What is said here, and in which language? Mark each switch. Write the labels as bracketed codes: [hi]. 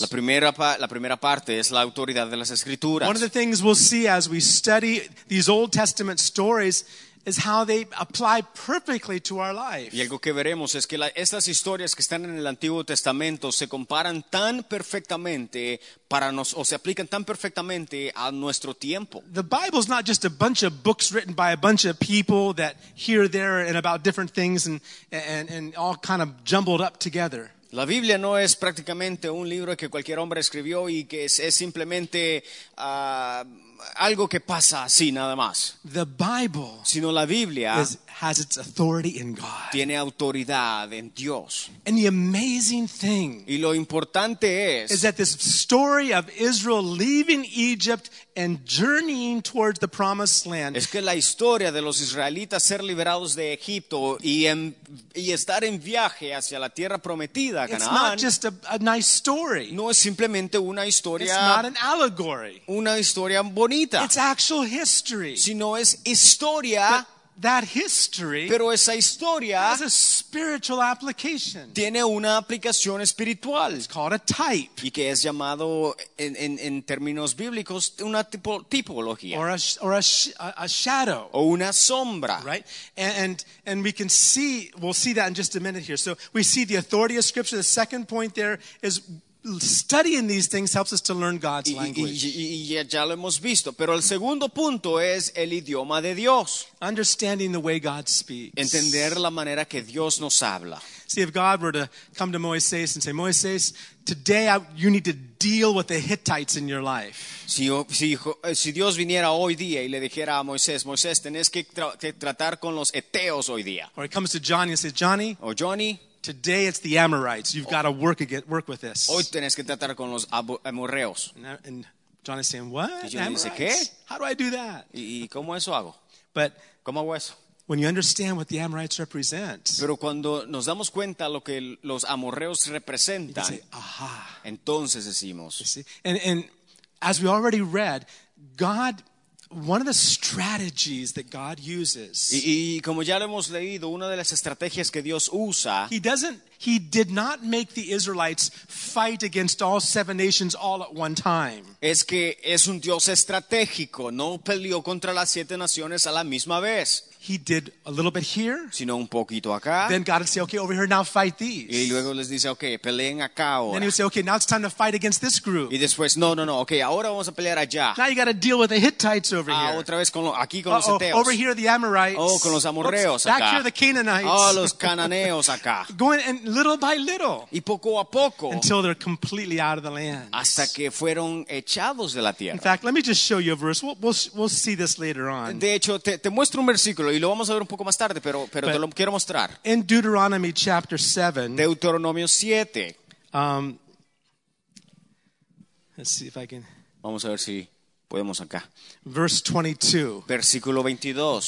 [es] La primera parte es la autoridad de las escrituras. [en] One of the things we'll see as we study these Old Testament stories is how they apply perfectly to our life. [es] Y algo que veremos es que estas historias que están en el Antiguo Testamento se comparan tan perfectamente para nos, o se aplican tan perfectamente a nuestro tiempo. [en] The Bible's not just a bunch of books written by a bunch of people that here, there, and about different things and all kind of jumbled up together. [es] La Biblia no es prácticamente un libro que cualquier hombre escribió y que es simplemente algo que pasa así nada más. [en] The Bible, [es] sino la Biblia, [en] has its authority in God. [es] Tiene autoridad en Dios. [en] And the amazing thing, [es] y lo importante es, [en] is that this story of Israel leaving Egypt and journeying towards the promised land, [es] es que la historia de los israelitas ser liberados de Egipto y estar en viaje hacia la tierra prometida, Canaán, [en] it's not just a nice story. [es] No es simplemente una historia, [en] it's not an allegory. [es] Una historia bonita. [en] It's actual history. [es] Sino es historia. [en] That history, [es] pero esa historia, [en] has a spiritual application. [es] Tiene una aplicación espiritual. [en] It's called a type. [es] Y que es llamado en términos bíblicos una tipología. [en] Or a shadow. [es] O una sombra. [en] Right? And we can see, we'll see that in just a minute here. So we see the authority of Scripture. The second point there is, studying these things helps us to learn God's language. [es] Y ya lo hemos visto, pero el segundo punto es el idioma de Dios. [en] Understanding the way God speaks. [es] Entender la manera que Dios nos habla. [en] See, if God were to come to Moisés and say, Moisés, today you need to deal with the Hittites in your life. [es] Si Dios viniera hoy día y le dijera a Moisés, Moisés, tenés que tratar con los Eteos hoy día. [en] Or he comes to Johnny and says, Johnny. [es] O Johnny. [en] Today it's the Amorites. You've got to work with this. [es] Hoy tenés que tratar con los amorreos. [en] And John is saying, what? [es] Y John dice, ¿qué? [en] How do I do that? [es] ¿Y cómo eso hago? [en] But [es] ¿cómo hago eso? [en] When you understand what the Amorites represent. [es] Pero cuando nos damos cuenta lo que los amorreos representan. [en] You say, aha. [es] Entonces decimos. [en] And as we already read, God, one of the strategies that God uses. [es] Y como ya lo hemos leído, una de las estrategias que Dios usa. [en] He did not make the Israelites fight against all seven nations all at one time. [es] Es que es un Dios estratégico, no peleó contra las siete naciones a la misma vez. [en] He did a little bit here, [es] sino un poquito acá. [en] Then God would say, okay, over here, now fight these. [es] Y luego les dice, okay, peleen acá ahora. [en] Then he would say, okay, now it's time to fight against this group. [es] Y después, no, okay, ahora vamos a pelear allá. [en] Now you got to deal with the Hittites over here. [es] Otra vez aquí con los Eteos. [en] Over here, the Amorites. [es] Oh, con los amorreos acá. [en] Back here, the Canaanites. [es] Oh, los cananeos acá. [en] Going and little by little. [es] Y poco a poco. [en] Until they're completely out of the land. [es] Hasta que fueron echados de la tierra. [en] In fact, let me just show you a verse. We'll see this later on. [es] De hecho, te muestro un versículo. Y lo vamos a ver un poco más tarde, pero te lo quiero mostrar. [en] In Deuteronomy chapter 7. [es] Deuteronomio 7. [en] Let's see if I can. [es] Vamos a ver si podemos acá. [en] Verse 22. [es] Versículo 22.